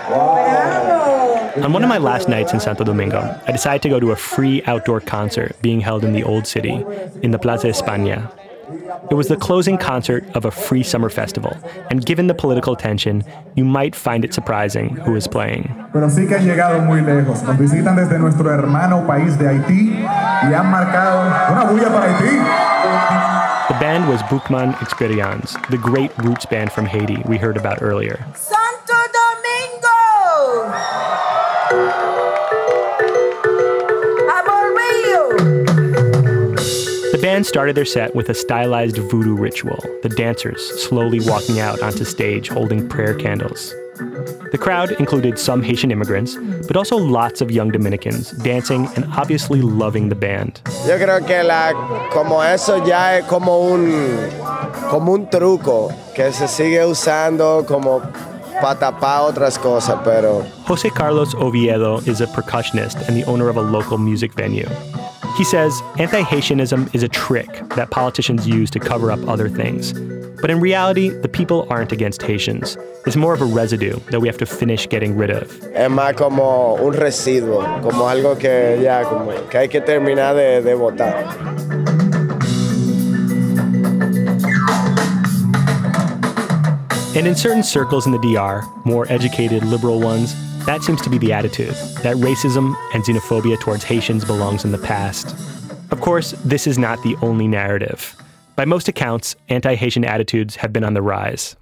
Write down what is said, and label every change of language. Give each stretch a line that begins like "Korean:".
English: Wow. On one of my last nights in Santo Domingo, I decided to go to a free outdoor concert being held in the old city, in the Plaza España. It was the closing concert of a free summer festival, and given the political tension, you might find it surprising who was playing.
Spanish: Pero sí que han llegado muy lejos. Nos visitan desde nuestro hermano país de Haití y han marcado una bulla para Haití.
English: The band was Boucman Experience, the great roots band from Haiti we heard about earlier. Fans started their set with a stylized voodoo ritual, the dancers slowly walking out onto stage holding prayer candles. The crowd included some Haitian immigrants, but also lots of young Dominicans dancing and obviously loving the band.
Spanish: Yo creo que la como eso ya es como un truco que se sigue usando como pa tapar otras cosas, pero
English: José Carlos Oviedo is a percussionist and the owner of a local music venue. He says anti-Haitianism is a trick that politicians use to cover up other things. But in reality, the people aren't against Haitians. It's more of a residue that we have to finish getting rid of.
Spanish: Es más como un residuo, como algo que ya como que hay que terminar de botar.
English: And in certain circles in the DR, more educated liberal ones, that seems to be the attitude, that racism and xenophobia towards Haitians belongs in the past. Of course, this is not the only narrative. By most accounts, anti-Haitian attitudes have been on the rise.